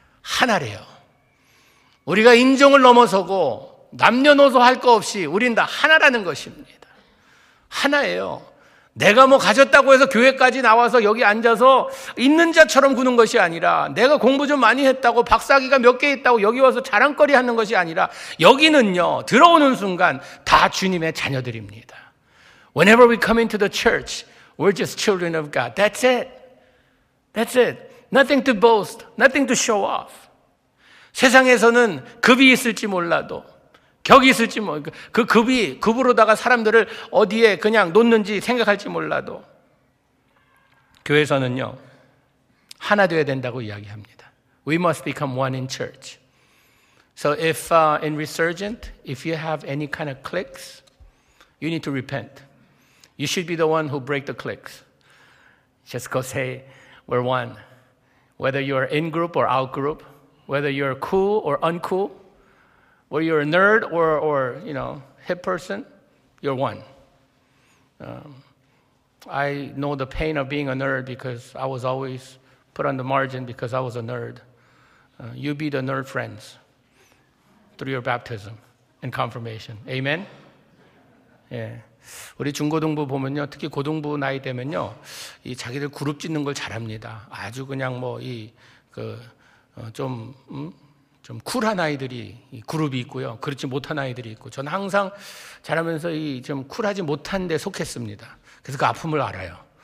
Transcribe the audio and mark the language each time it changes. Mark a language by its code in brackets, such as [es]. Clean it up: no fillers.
[ko] 하나래요. 우리가 인종을 넘어서고 남녀노소 할 거 없이 우린 다 하나라는 것입니다. 하나예요. 내가 뭐 가졌다고 해서 교회까지 나와서 여기 앉아서 있는 자처럼 구는 것이 아니라, 내가 공부 좀 많이 했다고, 박사학위가 몇 개 있다고 여기 와서 자랑거리 하는 것이 아니라, 여기는요, 들어오는 순간 다 주님의 자녀들입니다. [en] Whenever we come into the church, we're just children of God. That's it. That's it. Nothing to boast. Nothing to show off. [ko] 세상에서는 급이 있을지 몰라도, 격이 있을지 뭐, 그 급이, 급으로다가 사람들을 어디에 그냥 놓는지 생각할지 몰라도, 교회에서는요, 하나 되어야 된다고 이야기합니다. [en] We must become one in church. So if in Resurgent, if you have any kind of cliques, you need to repent. You should be the one who break the cliques. Just go say, we're one. Whether you're in group or out group, whether you're cool or uncool, whether you're a nerd or you know, hip person, you're one. I know the pain of being a nerd because I was always put on the margin because I was a nerd. You be the nerd friends through your baptism and confirmation. Amen? Yeah. [ko] 우리 중고등부 보면요, 특히 고등부 나이 되면요, 이 자기들 그룹 짓는 걸 잘합니다. 아주 그냥 뭐 이 그 좀 쿨한 아이들이 그룹이 있고요. 그렇지 못한 아이들이 있고 저는 항상 자라면서 이 좀 쿨하지 못한 데 속했습니다. 그래서 그 아픔을 알아요.